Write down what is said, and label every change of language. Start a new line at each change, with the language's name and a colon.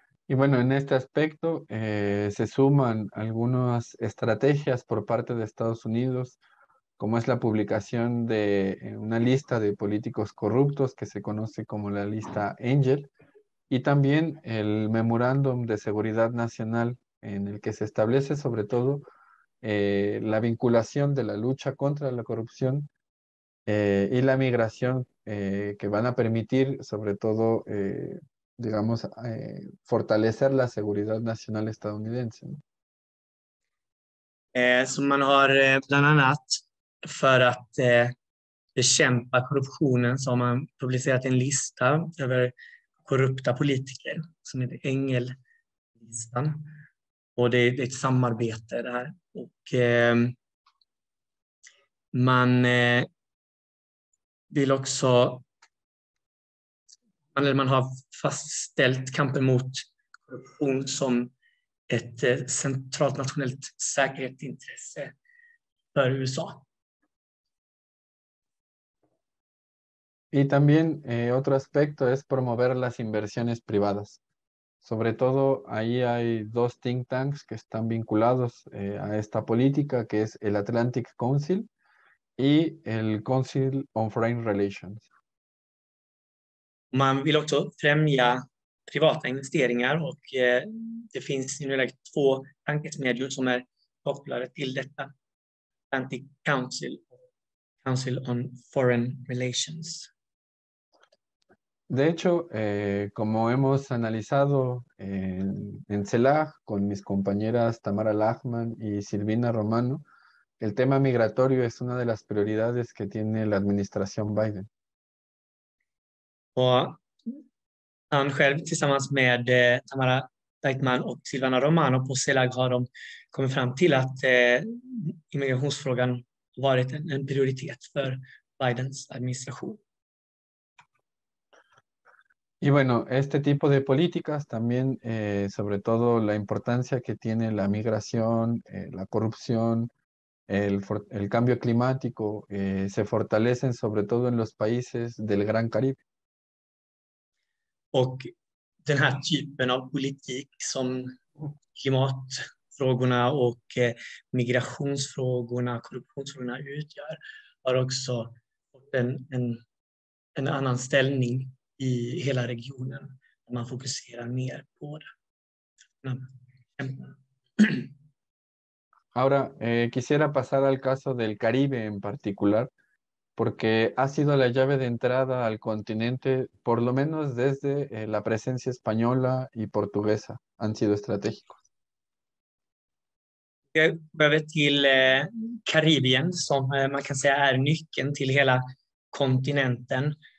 Spanish: Y bueno, en este aspecto se suman algunas estrategias por parte de Estados Unidos, como es la publicación de una lista de políticos corruptos que se conoce como la lista Angel, y también el memorándum de seguridad nacional en el que se establece sobre todo la vinculación de la lucha contra la corrupción y la migración que van a permitir sobre todo digamos, fortalecer la seguridad nacional estadounidense.
Swedish: Som man har bland annat för att bekämpa korruptionen så har man publicerat en lista över korrupta politiker som heter Engellistan. Och det är ett samarbete det här. Och man vill också eller man har fastställt kampen mot korruption som ett centralt nationellt säkerhetsintresse för USA.
Spanish: Y también otro aspecto es promover las inversiones privadas. Sobre todo, ahí hay dos think tanks que están vinculados a esta política, que es el Atlantic Council y el Council on Foreign Relations.
Swedish: Man vill också främja privata investeringar och det finns nu två tankesmedjor som är kopplade till detta. Atlantic Council, Council on Foreign Relations.
Spanish: De hecho, como hemos analizado en CELAC con mis compañeras Tamara Lachman y Silvina Romano, el tema migratorio es una de las prioridades que tiene la administración Biden.
Swedish: Han själv tillsammans med Tamara Lachman och Silvina Romano på CELAC har de kommit fram till att immigrationsfrågan varit en prioritet för Bidens administration.
Spanish: Y bueno, este tipo de políticas también, sobre todo la importancia que tiene la migración, la corrupción, el cambio climático, se fortalecen sobre todo en los países del Gran Caribe.
Swedish: Och den här typen av politik som klimatfrågorna och migrationsfrågorna, korruptionsfrågorna utgör, har också fått en annan ställning i hela regionen där man fokuserar mer på det.
Spanish: Ahora, quisiera pasar al caso del Caribe en particular, porque ha sido la llave de entrada al continente, por lo menos desde la presencia española y portuguesa, han sido estratégicos.
Swedish: Jag behöver till Karibien som man kan säga är nyckeln till hela kontinenten.